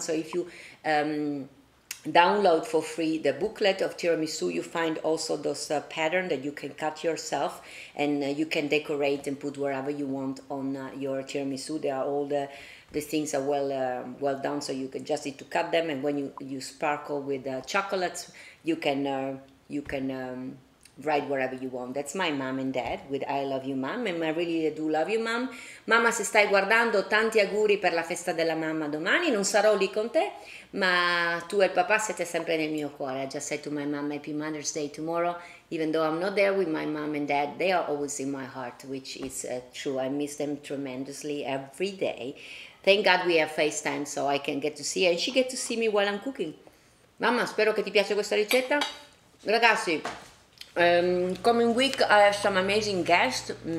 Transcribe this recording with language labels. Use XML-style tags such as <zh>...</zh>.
<en>So if you download for free the booklet of tiramisu, you find also those pattern that you can cut yourself, and you can decorate and put wherever you want on your tiramisu. They are all the things are well done, so you can just need to cut them. And when you sparkle with chocolates, you can write whatever you want. That's my mom and dad with I love you, mom. And I really do love you, mom.</en> <it>Mamma, se stai guardando, tanti auguri per la festa della mamma domani. Non sarò lì con te, ma tu e il papà siete sempre nel mio cuore.</it> <en>I just said to my mom, happy Mother's Day tomorrow. Even though I'm not there with my mom and dad, they are always in my heart, which is true. I miss them tremendously every day. Thank God we have FaceTime so I can get to see her. And she gets to see me while I'm cooking.</en> <it>Mamma, spero che ti piace questa ricetta. Ragazzi,</it> <en>coming week I have some amazing guests.</en>